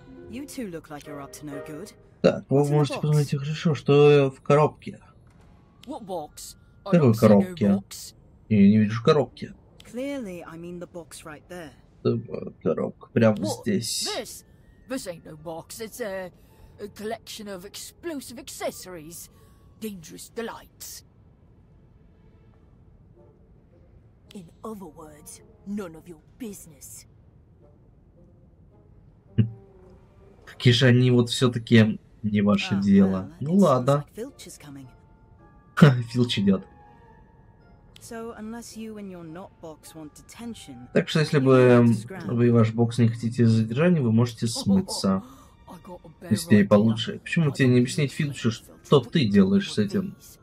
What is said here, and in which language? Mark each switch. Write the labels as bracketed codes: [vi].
[en] You two look like you're up to no good. [ru] Так, вы можете посмотреть, хорошо, что в коробке. [en] What box? [ru] Какой коробке? Я не вижу коробки. [en] Clearly, I mean the box right there. [ru] Коробка прямо здесь. [en] This? This ain't no box. It's a collection of explosive accessories. Dangerous delights. In other words, none of your business. [ru] Какие же они вот все-таки не ваше дело. Ну ладно. Филч идет. [en] So, unless you and your not box want detention, [ru] так что если бы вы и ваш бокс не хотите задержания, вы можете смыться. Если и получше. Почему тебе не объяснить Филчу, что ты делаешь с этим?